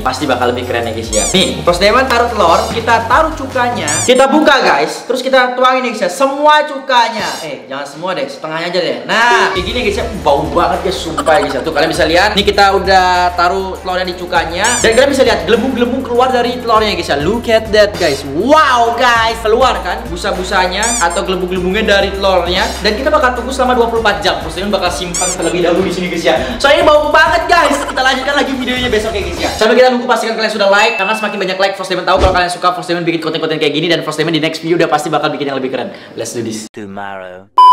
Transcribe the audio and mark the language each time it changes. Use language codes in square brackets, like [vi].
[id] Pasti bakal lebih keren ya guys ya. Nih, frost diamond taruh telur, kita taruh cukanya. Kita buka guys, terus kita tuangin ya guys ya, semua cukanya. Jangan semua deh, setengahnya aja deh. Nah, kayak gini guys ya, bau banget ya sumpah ya guys ya. Tuh kalian bisa lihat, nih kita udah taruh telurnya di cukanya. Dan kalian bisa lihat, gelembung-gelembung keluar dari telurnya ya guys ya. [en] Look at that guys, wow guys. [id] Keluar kan, busa-busanya atau gelembung-gelembungnya dari telurnya. Dan kita bakal tunggu selama 24 jam. Frost diamond bakal simpan terlebih dahulu di sini guys ya. Soalnya bau banget guys. Kita lanjutkan lagi videonya besok ya guys ya. Sambil kita nunggu pastikan kalian sudah like, karena semakin banyak like Frost diamond tahu kalau kalian suka Frost diamond bikin konten-konten kayak gini. Dan Frost diamond di next video udah pasti bakal bikin yang lebih keren. [en] Let's do this. Tomorrow.